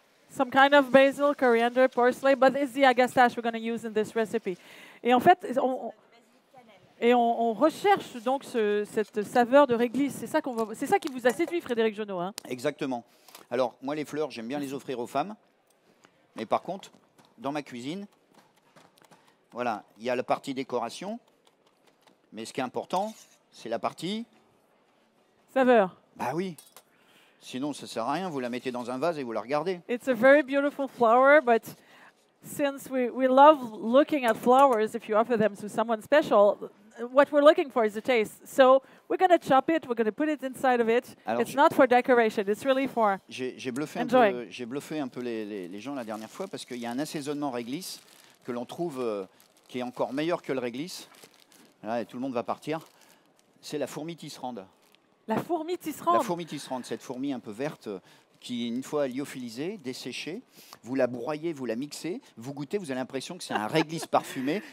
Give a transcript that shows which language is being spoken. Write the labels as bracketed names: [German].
[English] Some kind of basil, coriander, parsley, but it's the agastache we're going to use in this recipe. [French] Et en fait, on recherche donc cette saveur de réglisse. C'est ça qui vous a séduit, Frédéric Jeuneau. Hein? Exactement. Alors, moi, les fleurs, j'aime bien les offrir aux femmes. Mais par contre, dans ma cuisine, voilà, il y a la partie décoration. Mais ce qui est important, c'est la partie... saveur. Bah oui. Sinon, ça ne sert à rien. Vous la mettez dans un vase et vous la regardez. [English] It's a very beautiful flower, but... since we love looking at flowers, if you offer them to someone special, what we're looking for is the taste. So we're going to chop it, we're going to put it inside of it. Alors it's not for decoration, it's really for enjoying. [French] J'ai bluffé un peu les gens la dernière fois parce qu'il y a un assaisonnement réglisse que l'on trouve qui est encore meilleur que le réglisse. Là, et tout le monde va partir. C'est la fourmi tisserande. La fourmi tisserande. La fourmi tisserande, cette fourmi un peu verte. Qui, une fois lyophilisée, desséchée, vous la broyez, vous la mixez, vous goûtez, vous avez l'impression que c'est un réglisse parfumé.